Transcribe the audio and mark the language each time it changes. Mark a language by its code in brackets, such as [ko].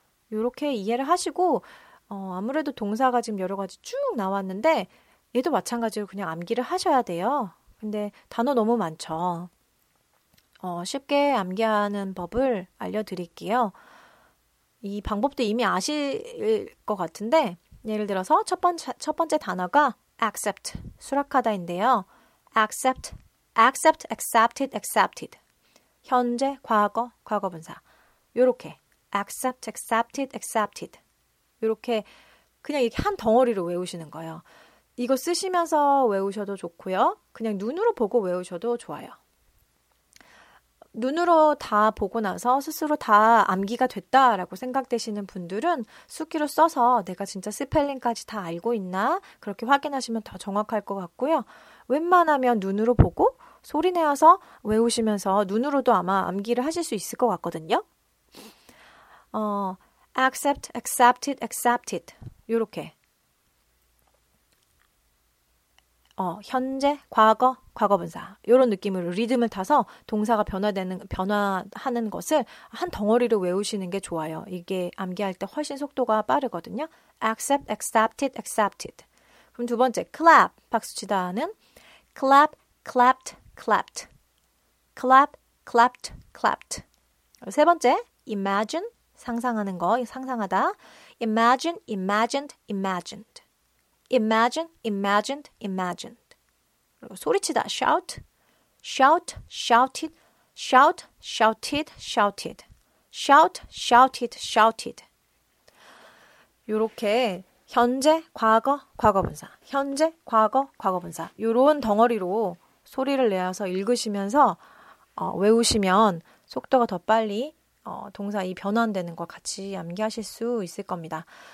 [ko] 이렇게 이해를 하시고 아무래도 동사가 지금 여러 가지 쭉 나왔는데 얘도 마찬가지로 그냥 암기를 하셔야 돼요. 근데 단어 너무 많죠. 쉽게 암기하는 법을 알려드릴게요. 이 방법도 이미 아실 것 같은데 예를 들어서 첫 번째 단어가 accept, 수락하다인데요. [en] accept, accept, accepted, accepted. [ko] 현재, 과거, 과거분사. [en] 요렇게 accept, accepted, accepted. [ko] 이렇게 그냥 이렇게 한 덩어리로 외우시는 거예요. 이거 쓰시면서 외우셔도 좋고요. 그냥 눈으로 보고 외우셔도 좋아요. 눈으로 다 보고 나서 스스로 다 암기가 됐다라고 생각되시는 분들은 수기로 써서 내가 진짜 스펠링까지 다 알고 있나? 그렇게 확인하시면 더 정확할 것 같고요. 웬만하면 눈으로 보고 소리 내어서 외우시면서 눈으로도 아마 암기를 하실 수 있을 것 같거든요. [en] accept, accepted, accepted. [ko] 요렇게. 현재, 과거, 과거분사. 요런 느낌으로 리듬을 타서 동사가 변화하는 것을 한 덩어리로 외우시는 게 좋아요. 이게 암기할 때 훨씬 속도가 빠르거든요. [en] accept, accepted, accepted. [ko] 그럼 두 번째, clap. [en] 박수치다는 clap, clapped, clapped. clap, clapped, clapped. [ko] 세 번째, imagine. 상상하는 거, 상상하다. [en] Imagine, imagined, imagined. Imagine, imagined, imagined. [ko] 그리고 소리치다, [en] shout, shout, shouted, shout, shouted, shouted, shout, shouted, shouted. [ko] 이렇게 현재, 과거, 과거분사, 현재, 과거, 과거분사 이런 덩어리로 소리를 내어서 읽으시면서 외우시면 속도가 더 빨리 동사 이 변환되는 것 같이 암기하실 수 있을 겁니다.